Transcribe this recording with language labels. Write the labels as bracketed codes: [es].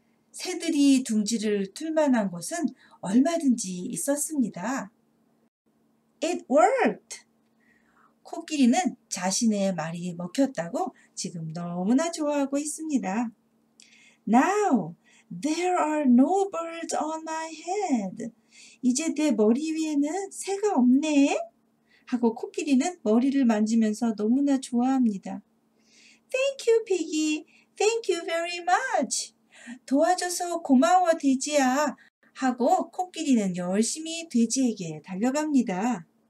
[ko] 새들이 둥지를 틀만한 곳은 얼마든지 있었습니다. [en] It worked! [ko] 코끼리는 자신의 말이 먹혔다고 지금 너무나 좋아하고 있습니다. [en] Now, there are no birds on my head. [ko] 이제 내 머리 위에는 새가 없네. 하고 코끼리는 머리를 만지면서 너무나 좋아합니다. [en] Thank you, Piggy. Thank you very much. [ko] 도와줘서 고마워, 돼지야. 하고 코끼리는 열심히 돼지에게 달려갑니다.